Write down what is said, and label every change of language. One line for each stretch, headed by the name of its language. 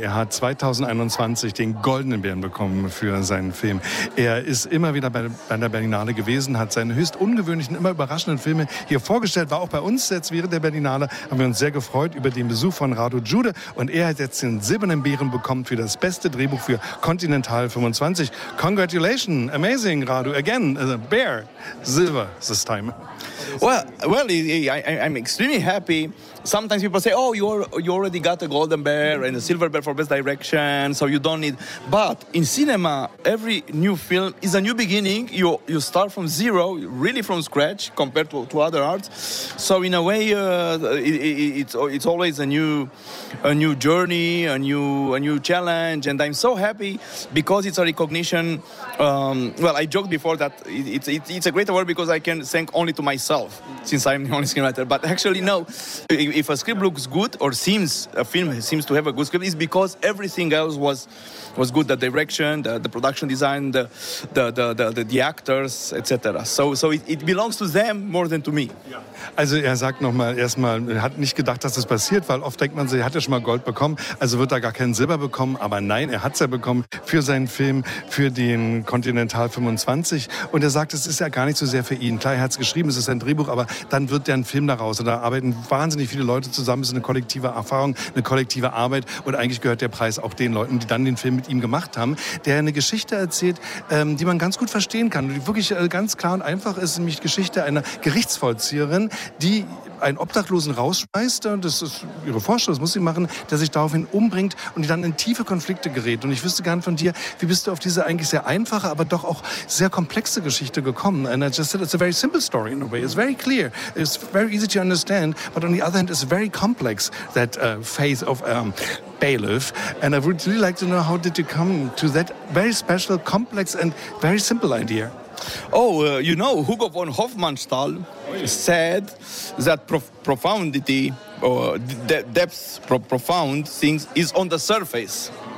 German: Er hat 2021 den goldenen Bären bekommen für seinen Film. Er ist immer wieder bei der Berlinale gewesen, hat seine höchst ungewöhnlichen, immer überraschenden Filme hier vorgestellt, war auch bei uns jetzt während der Berlinale, haben wir uns sehr gefreut über den Besuch von Radu Jude und er hat jetzt den silbernen Bären bekommen für das beste Drehbuch für Continental 25.
English: Congratulations, amazing Radu, again, a bear, silver this time. Well, I'm extremely happy. sometimes people say, oh, you already got a Golden Bear and a Silver Bear for Best Direction, so you don't need... But in cinema, every new film is a new beginning. You start from zero, really from scratch, compared to other arts. So in a way, it's always a new journey, a new challenge. And I'm so happy because it's a recognition... well, I joked before that it's a great award because I can thank only to myself, since I'm the only screenwriter. But actually, no. If a script looks good or a film seems to have a good script, it's because everything else was good. The direction, the production design, the actors, etc. So it belongs to them more than to me.
German: Also sagt nochmal erstmal, er hat nicht gedacht, dass das passiert, weil oft denkt man, er hat ja schon mal Gold bekommen, also wird er gar kein Silber bekommen. Aber nein, er hat es ja bekommen für seinen Film, für den Continental 25. Und er sagt, es ist ja gar nicht so sehr für ihn. Klar, er hat es geschrieben, es ist ein Drehbuch, aber dann wird der ein Film daraus. Und da arbeiten wahnsinnig viele Leute zusammen. Es ist eine kollektive Erfahrung, eine kollektive Arbeit. Und eigentlich gehört der Preis auch den Leuten, die dann den Film mit ihm gemacht haben, der eine Geschichte erzählt, die man ganz gut verstehen kann. Und die wirklich ganz klar und einfach ist, nämlich Geschichte einer Gerichtsvollzieherin, die einen Obdachlosen rausschmeißt, das ist ihre Vorstellung, das muss sie machen, der sich daraufhin umbringt und die dann in tiefe Konflikte gerät. Und ich wüsste gern von dir, wie bist du auf diese eigentlich sehr einfache, aber doch auch sehr komplexe Geschichte gekommen?
English: And I just said, it's a very simple story in a way, it's very clear, it's very easy to understand, but on the other hand, it's very complex, that phase of bailiff. And I would really like to know, how did you come to that very special, complex and very simple idea? Oh, you know, Hugo von Hofmannsthal said that profundity, or profound things, is on the surface.